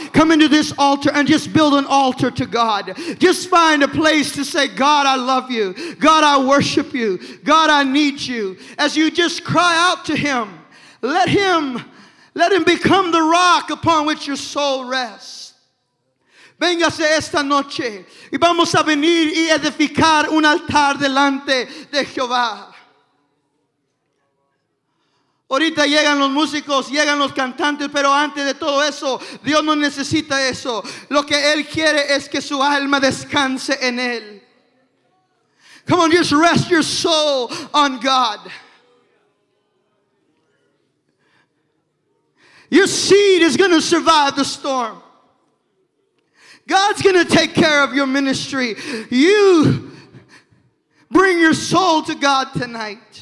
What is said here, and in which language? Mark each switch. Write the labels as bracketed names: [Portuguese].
[English] Come into this altar and just build an altar to God. Just find a place to say, God, I love you. God, I worship you. God, I need you. As you just cry out to him, let him become the rock upon which your soul rests. [Spanish] Véngase esta noche y vamos a venir y edificar un altar delante de Jehová. Ahorita llegan los músicos, llegan los cantantes, pero antes de todo eso, Dios no necesita eso. Lo que Él quiere es que su alma descanse en Él. [English] Come on, just rest your soul on God. Your seed is going to survive the storm. God's going to take care of your ministry. You bring your soul to God tonight.